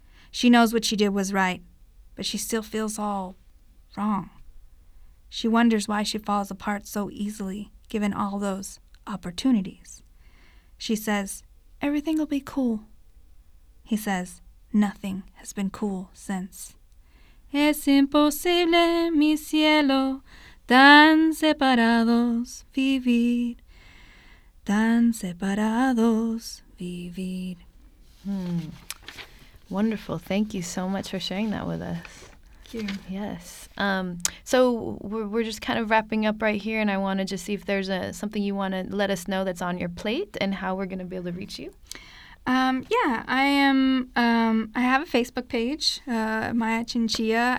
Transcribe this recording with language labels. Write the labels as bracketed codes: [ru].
[en] She knows what she did was right, but she still feels all wrong. She wonders why she falls apart so easily, given all those opportunities. She says, everything'll be cool. He says, nothing has been cool since. [es] Es imposible, mi cielo, tan separados vivir, tan separados vivir. [en] Wonderful. Thank you so much for sharing that with us. Thank you. Yes. So we're just kind of wrapping up right here, and I want to just see if there's something you want to let us know that's on your plate and how we're going to be able to reach you. Yeah, I am. I have a Facebook page, Maya Chinchilla.